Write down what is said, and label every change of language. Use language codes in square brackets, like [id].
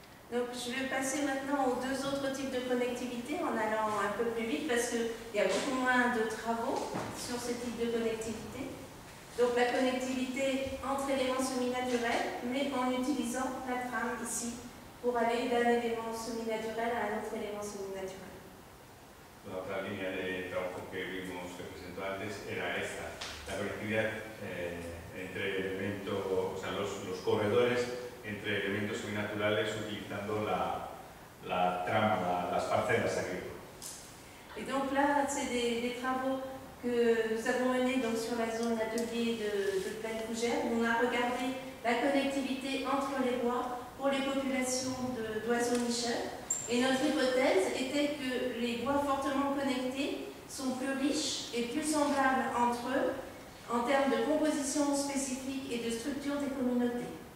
[fr] Donc je vais passer maintenant aux deux autres types de connectivité en allant un peu plus vite parce qu'il y a beaucoup moins de travaux sur ce type de connectivité. Donc la connectivité entre éléments semi-naturels, mais en utilisant la trame ici pour aller d'un élément semi-naturel à un autre élément semi-naturel. L'autre ligne de travaux [es] que vimos que presentó antes era esta, la connectividad entre elementos, o sea, los corredores entre elementos seminaturales utilizando la trama, las parcelas agrícolas. [fr] Et donc là, c'est des travaux que nous avons menés donc sur la zone atelier de Plaine Fougère. On a regardé la connectivité entre les bois pour les populations d'oiseaux nicheurs. Et notre hypothèse était que les bois fortement connectés sont plus riches et plus semblables entre eux en termes de composition spécifique et de structure des communautés.